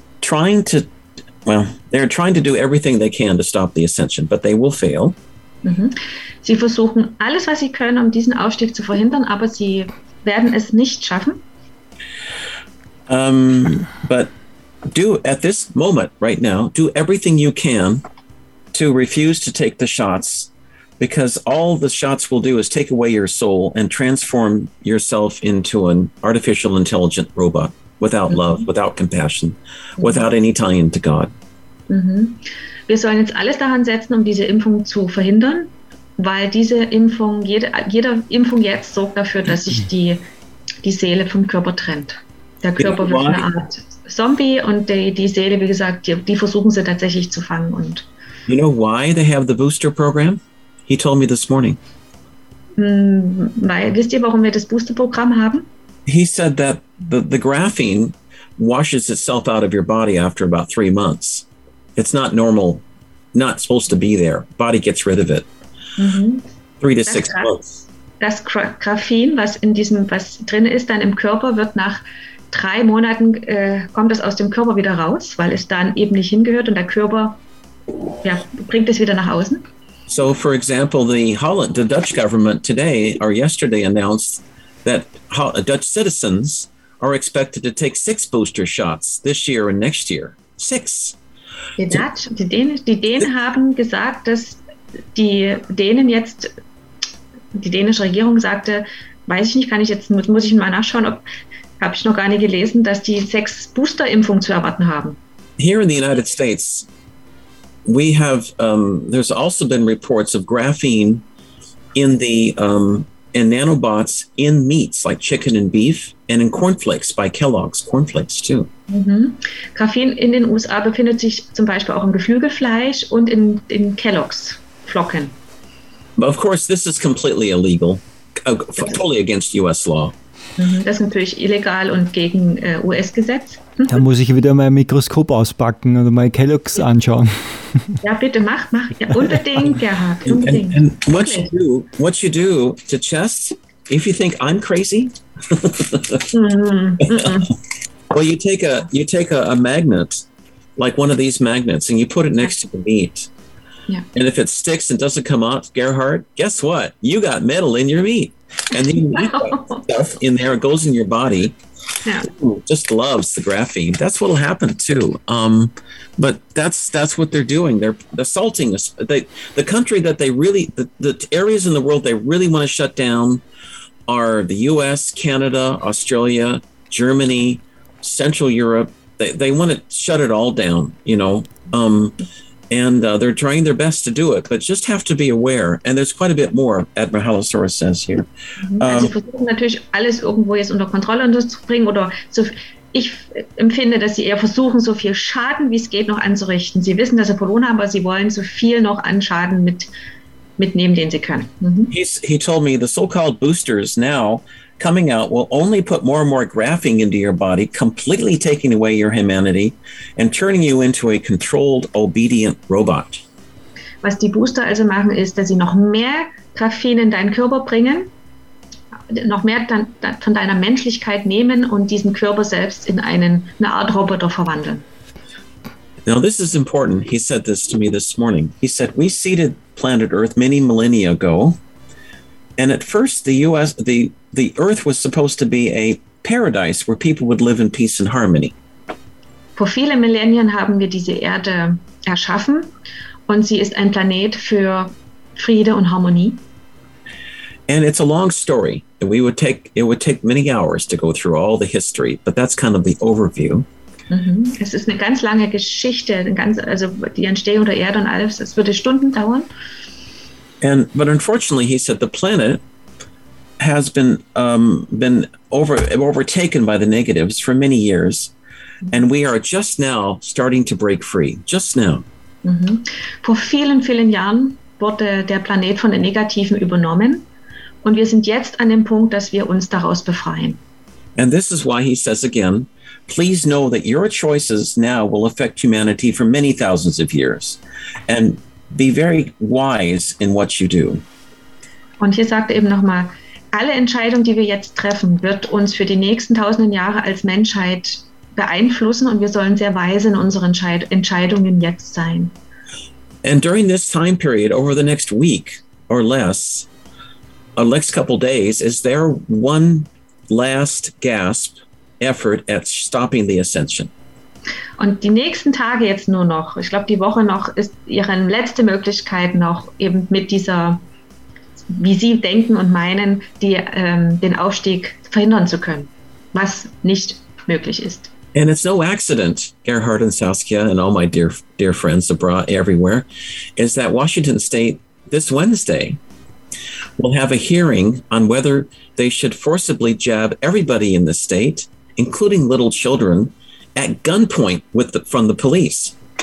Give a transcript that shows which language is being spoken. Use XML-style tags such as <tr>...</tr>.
<en>They're trying to do everything they can to stop the ascension, but they will fail.</en> <de>Sie versuchen alles, was sie können, um diesen Aufstieg zu verhindern, aber sie werden es nicht schaffen.</de> <en>But do at this moment right now, do everything you can to refuse to take the shots, because all the shots will do is take away your soul and transform yourself into an artificial intelligent robot without love, without compassion, without any tie into God.</en> <de>Wir sollen jetzt alles daran setzen, um diese Impfung zu verhindern, weil diese Impfung, jede Impfung jetzt sorgt dafür, dass sich die Seele vom Körper trennt. Der Körper wird eine Art Zombie und die Seele, wie gesagt, die versuchen sie tatsächlich zu fangen. Und</de> <en>you know why they have the booster program? He told me this morning.</en> <de>Wisst ihr, warum wir das Booster-Programm haben?</de> <en>He said that the graphene washes itself out of your body after about 3 months. It's not normal, not supposed to be there. Body gets rid of it. Mm-hmm. 3 to 6 months.</en> <de>Das Graphen, was drin ist, dann im Körper, wird nach 3 Monaten, kommt es aus dem Körper wieder raus, weil es dann eben nicht hingehört und der Körper bringt es wieder nach außen.</de> <en>So for example, the Dutch government today or yesterday announced that Dutch citizens are expected to take 6 booster shots this year and next year. 6.</en> <de>Die dänische Regierung sagte, weiß ich nicht, kann ich jetzt, muss ich mal nachschauen, ob, habe ich noch gar nicht gelesen, dass die 6 Booster-Impfungen zu erwarten haben.</de> <en>Here in the United States, we have, there's also been reports of graphene in the, in nanobots in meats like chicken and beef and in cornflakes by Kellogg's cornflakes too.</en> <de>Graphen in den USA befindet sich zum Beispiel auch im Geflügelfleisch und in Kellogg's Flocken.</de> <en>But of course, this is completely illegal, totally against US law.</en> <de>Das ist natürlich illegal und gegen US-Gesetz. Da muss ich wieder mein Mikroskop auspacken und mal Kellogg's anschauen. Ja, bitte, mach. Ja, unbedingt, Gerhard. Unbedingt.</de> <en>And what, okay. what you do to Chess, if you think I'm crazy, well, you take a magnet, like one of these magnets, and you put it next to the meat. Yeah. And if it sticks and doesn't come off, Gerhard, guess what? You got metal in your meat. And then you eat that stuff in there, it goes in your body. Yeah. Ooh, just loves the graphene. That's what'll happen too. But that's what they're doing. They're assaulting us. The country that they really, the areas in the world they really want to shut down are the US, Canada, Australia, Germany, Central Europe. They want to shut it all down, you know. And they're trying their best to do it, but just have to be aware. And there's quite a bit more, Admiralosaurus says here.</en> <de>Also versuchen natürlich alles irgendwo jetzt unter Kontrolle unterzubringen oder so. Ich empfinde, dass sie eher versuchen, so viel Schaden wie es geht noch anzurichten. Sie wissen, dass sie verloren haben, aber sie wollen so viel noch an Schaden mitnehmen, den sie können.</de> <en>He told me the so-called boosters now coming out will only put more and more graphene into your body, completely taking away your humanity and turning you into a controlled, obedient robot.</en> <de>Was die Booster also machen, ist, dass sie noch mehr Graphen in deinen Körper bringen, noch mehr von deiner Menschlichkeit nehmen und diesen Körper selbst in eine Art Roboter verwandeln.</de> <en>Now this is important. He said this to me this morning. He said, we seeded planet Earth many millennia ago, and at first the Earth was supposed to be a paradise where people would live in peace and harmony.</en> <de>Vor vielen Millennien haben wir diese Erde erschaffen und sie ist ein Planet für Friede und Harmonie.</de> <en>And it's a long story. It would take many hours to go through all the history, but that's kind of the overview.</en> <de>Es ist eine ganz lange Geschichte, also die Entstehung der Erde und alles, das würde Stunden dauern.</de> <en>But unfortunately, he said the planet has been overtaken by the negatives for many years, and we are just now starting to break free. Just now.</en> <de>Vor vielen, vielen Jahren wurde der Planet von den Negativen übernommen, und wir sind jetzt an dem Punkt, dass wir uns daraus befreien.</de> <en>And this is why he says again, please know that your choices now will affect humanity for many thousands of years, and be very wise in what you do.</en> <de>Und hier sagt er eben nochmal, alle Entscheidungen, die wir jetzt treffen, wird uns für die nächsten tausenden Jahre als Menschheit beeinflussen, und wir sollen sehr weise in unseren Entscheidungen jetzt sein.</de> <en>And during this time period, over the next week or less, or next couple days, is there one last gasp effort at stopping the ascension?</en> <de>Und die nächsten Tage jetzt nur noch, ich glaube die Woche noch, ist ihre letzte Möglichkeit noch eben mit dieser, wie sie denken und meinen, den Aufstieg verhindern zu können, was nicht möglich ist.</de> <en>And it's no accident, Gerhard and Saskia and all my dear friends abroad everywhere, is that Washington State this Wednesday will have a hearing on whether they should forcibly jab everybody in the state, including little children, at gunpoint from the police.</en>